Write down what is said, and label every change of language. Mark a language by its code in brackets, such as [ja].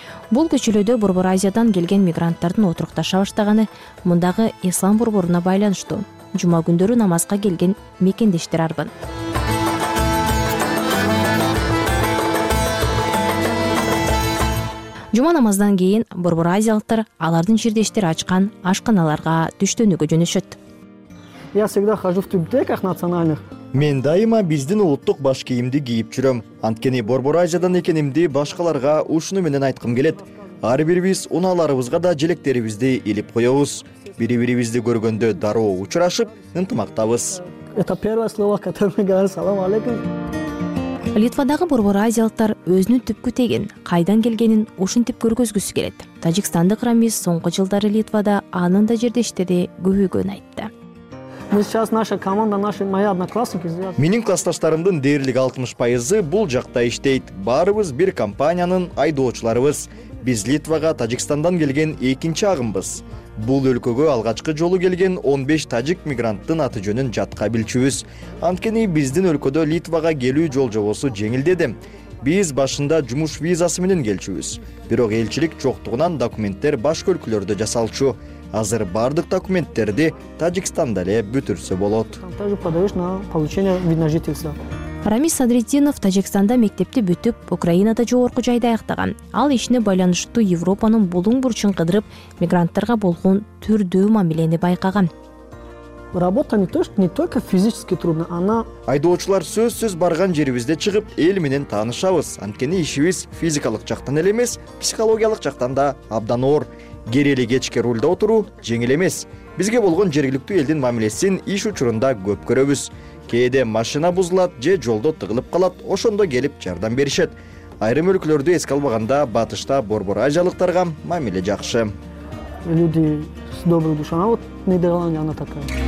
[ky] Бул көчөлөрдө борбор Азиядан келген мигранттардын отурукташа баштаганы мындагы ислам борборуна байланыштуу. жума күндөрү намазга келген мекендештер арбын. Жума намаздан кийин борбор азиялыктар алардын жердештери ачкан ашканаларга түштөнүүгө жөнөшөт. [ru] Я всегда хожу в тюбетейках национальных. [ky] Мен дайыма биздин улуттук баш кийимди кийип жүрөм. Анткени борбор Азиядан экенимди башкаларга ушуну менен айткым келет. Ар бирибиз унааларыбызга да желектерибизди илип коебуз. Бири-бирибизди көргөндө дароо учурашып, ынтымактабыз. [ru] Это первое слово, которое мы говорим: салам алейкум. [ky] Литвадагы борбор азиялыктар өзүнүн түпкү тегин, кайдан келгенин ушинтип көргөзгүсү келет. Тажикстандык рамиз соңку жылдары Литвада анын да жердештери көбөйгөнүн айтты. [ru] Мы сейчас наша команда, наши мои одноклассники. [ky] Менин классташтарымдын дээрлик 60% бул жакта иштейт. Баарыбыз бир компаниянын айдоочуларыбыз. Биз Литвага Тажикстандан келген экинчи агымбыз. Бул өлкөгө алгачкы жолу келген 15 тажик мигранттын аты жөнүн жатка билчүбүз. Анткени биздин өлкөдө Литвага келүү жол-жобосу жеңилдеди. Биз башында жумуш визасы менен келчүбүз. Бирок элчилик жоктугунан документтер башка өлкөлөрдө жасалчу. Азыр бардык документтерди Тажикстанда эле бүтүрсө болот. [ru] Также подаешь на получение вида на жительство. [ky] Рамиз Садретдинов Тажикстанда мектепти бүтүп, Украинада жогорку жайды аяктаган. Ал ишине байланыштуу Европанын булуң бурчун кыдырып, мигранттарга болгон түрдүү мамилени байкаган. [ru] Работа не только физически трудная, она... [ky] Айдоочулар сөзсүз барган жерибизде чыгып, эл менен таанышабыз. Анткени ишибиз физикалык жактан эле эмес, психологиялык жактан да абдан оор. Керели кечке рульда отуруу жеңил эмес. Бизге болгон жергиликтүү элдин мамилесин иш учурунда көп көрөбүз. Кээде машина бузулат же жолдо тыгылып калат, ошондо келип жардам беришет. Айрым өлкөлөрдү эске албаганда батышта борбор азиялыктарга мамиле жакшы. [ru] Люди с доброй душой. А вот Нидерланды, она такая.